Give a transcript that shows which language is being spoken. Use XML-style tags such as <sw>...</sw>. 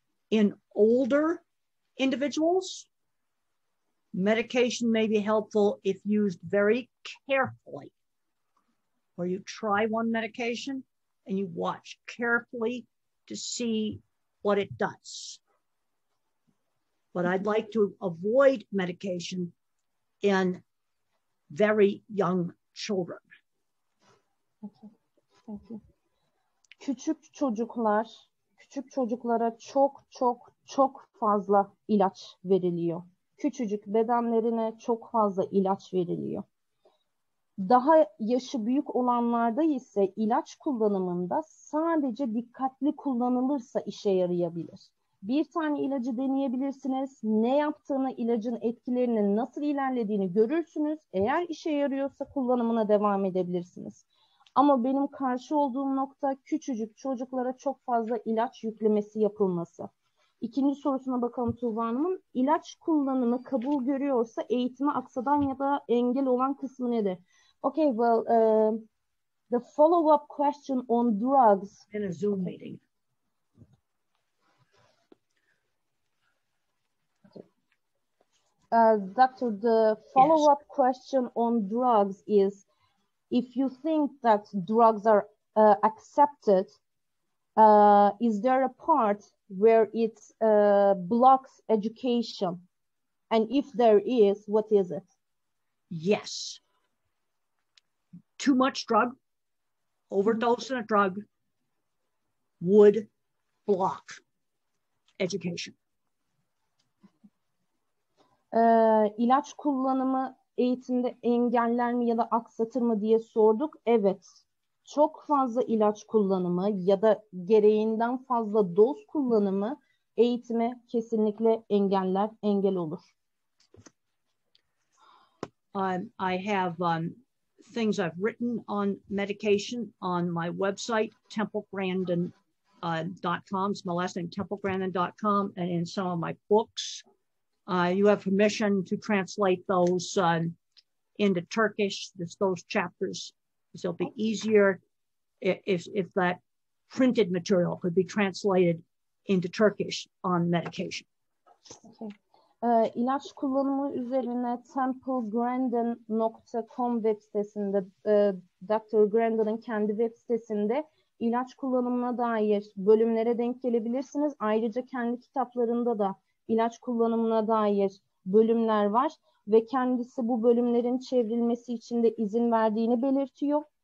<en>In older individuals, medication may be helpful if used very carefully, where you try one medication and you watch carefully to see what it does. But I'd like to avoid medication in very young children.</en> <tr>Küçük çocuklar, küçük çocuklara çok çok çok fazla ilaç veriliyor. Küçücük bedenlerine çok fazla ilaç veriliyor. Daha yaşı büyük olanlarda ise ilaç kullanımında sadece dikkatli kullanılırsa işe yarayabilir. Bir tane ilacı deneyebilirsiniz. Ne yaptığını, ilacın etkilerinin nasıl ilerlediğini görürsünüz. Eğer işe yarıyorsa kullanımına devam edebilirsiniz. Ama benim karşı olduğum nokta küçücük çocuklara çok fazla ilaç yüklemesi yapılması. İkinci sorusuna bakalım Tuğba Hanım'ın. İlaç kullanımı kabul görüyorsa eğitimi aksadan ya da engel olan kısmı nedir?</tr> <en>Okay, well, the follow-up question on drugs. In a Zoom meeting. Doctor, the follow-up yes. question on drugs is if you think that drugs are accepted, is there a part where it blocks education? And if there is, what is it? Yes. Too much drug, overdose in a drug, would block education.</en> <tr>İlaç kullanımı eğitimde engeller mi ya da aksatır mı diye sorduk. Evet, çok fazla ilaç kullanımı ya da gereğinden fazla doz kullanımı eğitime kesinlikle engeller, engel olur.</tr> <en>I have things I've written on medication on my website, templegrandin.com. It's my last name, templegrandin.com, and in some of my books. You have permission to translate those into Turkish, just those chapters. So it'll be easier if that printed material could be translated into Turkish on medication. Okay.</en> <tr>İlaç kullanımı üzerine templegrandin.com web sitesinde, Dr. Grandin'in kendi web sitesinde ilaç kullanımına dair bölümlere denk gelebilirsiniz. Ayrıca kendi kitaplarında da İlaç kullanımına dair bölümler var ve kendisi bu bölümlerin çevrilmesi için de izin verdiğini belirtiyor.</tr>